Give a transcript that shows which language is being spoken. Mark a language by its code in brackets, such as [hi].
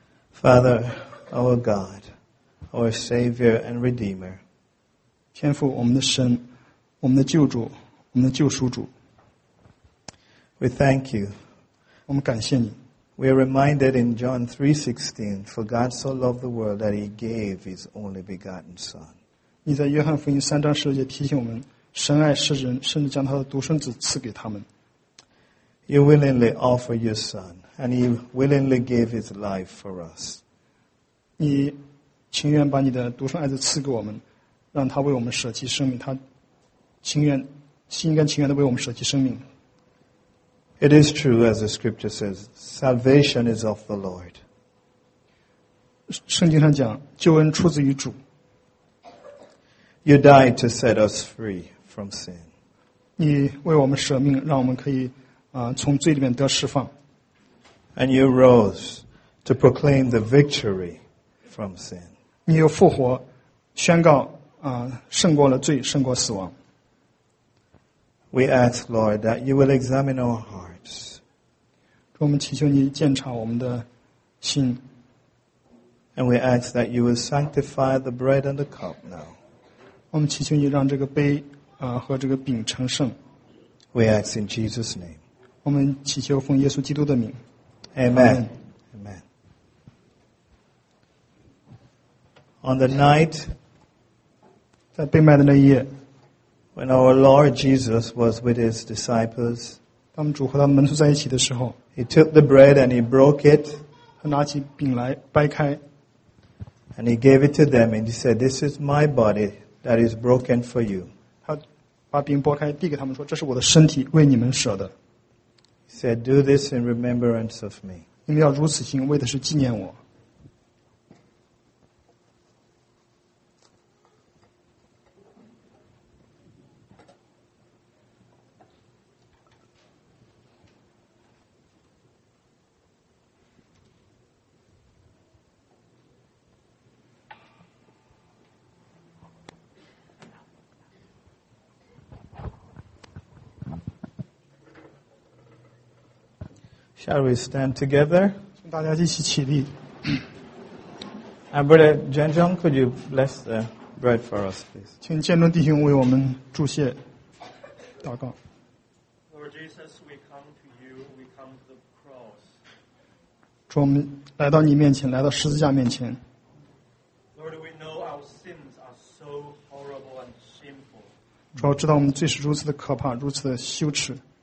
[en] Father, our God, our Savior and Redeemer. [zh] 天父，我们的神，我们的救主，我们的救赎主。 [en] We thank you. [zh] 我们感谢你。 [en] We are reminded in John 3:16, For God so loved the world that He gave His only begotten Son. [zh] 你在约翰福音三章十六节提醒我们，神爱世人，甚至将他的独生子赐给他们。 [en] You willingly offer your Son, and He willingly gave His life for us. [zh] 你情愿把你的独生爱子赐给我们，让他为我们舍弃生命，他情愿，心甘情愿地为我们舍弃生命。 [en] It is true, as the scripture says, salvation is of the Lord. [zh] 圣经上讲，救恩出自于主。 [en] You died to set us free from sin. [zh] 你为我们舍命，让我们可以从罪里面得释放。 [en] And you rose to proclaim the victory from sin. [zh] 你又复活，宣告胜过了罪，胜过死亡。 [en] We ask, Lord, that you will examine our heart. [zh] 我们祈求你鉴察我们的心。 [en] And we ask that you will sanctify the bread and the cup now. [zh] 我们祈求你让这个杯和这个饼成圣。 [en] We ask in Jesus' name. [zh] 我们祈求奉耶稣基督的名。 [en] Amen. Amen. On the night, [zh] 在被卖的那一夜 [en] when our Lord Jesus was with his disciples, [zh] 当主和他们门徒在一起的时候 [en] He took the bread and he broke it. [zh] 他拿起饼来掰开 [en] And he gave it to them and he said, This is my body that is broken for you. [zh] 他把饼拨开递给他们说这是我的身体为你们舍的 [en] He said, Do this in remembrance of me. [zh] 你们要如此行为的是纪念我 [en] Shall we stand together? [zh] 请大家一起起立。 [en] And Brother Jen Jong, could you bless the bread for us, please? [zh] 请建中弟兄为我们祝谢祷告。 [en] Lord Jesus, we come to you. We come to the cross. [zh] 主，我们来到你面前，来到十字架面前。 [en] Lord, we know our sins are so horrible and shameful. [zh] 主，知道我们罪是如此的可怕，如此的羞耻。